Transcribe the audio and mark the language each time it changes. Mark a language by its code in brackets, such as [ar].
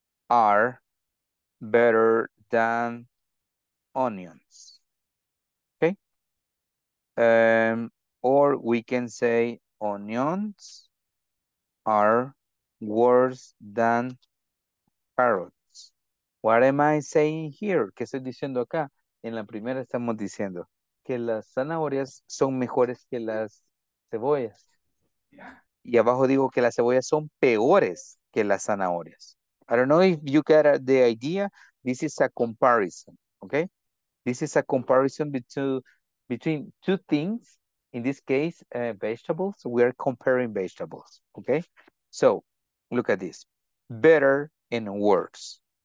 [en] Are better than onions. Okay. Or we can say onions are worse than carrots. What am I saying here? [es] ¿Qué estoy diciendo acá? En la primera estamos diciendo que las zanahorias son mejores que las cebollas. Y abajo digo que las cebollas son peores que las zanahorias. [en] I don't know if you get the idea. This is a comparison, okay? This is a comparison between two things. In this case, vegetables. We are comparing vegetables, okay? So, look at this. Better and worse.